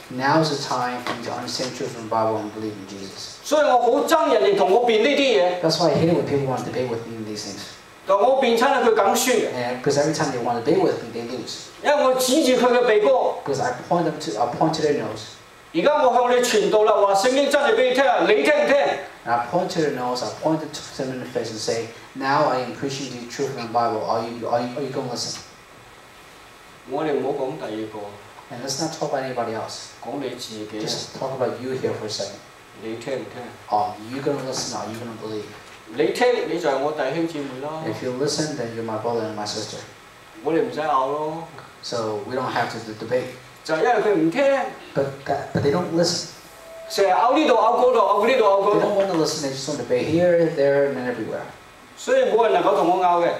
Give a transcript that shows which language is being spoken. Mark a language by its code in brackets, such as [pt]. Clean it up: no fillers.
[en] Now is the time for you to understand truth from the Bible and believe in Jesus. [yue] 所以我好憎人哋同我辯呢啲嘢。 [en] That's why I hate it when people want to debate with me in these things. [yue] 我辯親佢梗輸。 [en] Because every time they want to debate with me, they lose. [yue] 因為我指住佢嘅鼻哥。 [en] Because I point to their nose. [yue] 而家我向你傳道啦，話聖經真理俾你聽，你聽唔聽？ [en] I point to their nose. I point to them in the face and say, "Now I am preaching the truth from the Bible. Are you going to listen?" [yue] 我哋唔好講第二個。 [en] And let's not talk about anybody else. [yue] 講你自己。 [en] Just talk about you here for a second. [yue] 你聽唔聽？ [en] Are you going to listen? Are you going to believe? [yue] 你聽，你就係我弟兄姊妹啦。 [en] If you listen, then you're my brother and my sister. [yue] 我哋唔使拗咯。 [en] So we don't have to debate. [yue] 就因為佢唔聽。 [en] But they don't listen. [yue] 成日拗呢度拗嗰度拗嗰度拗嗰度。 [en] They don't want to listen. They just want to debate here, there, and then everywhere. [yue] 所以冇人能夠同我拗嘅。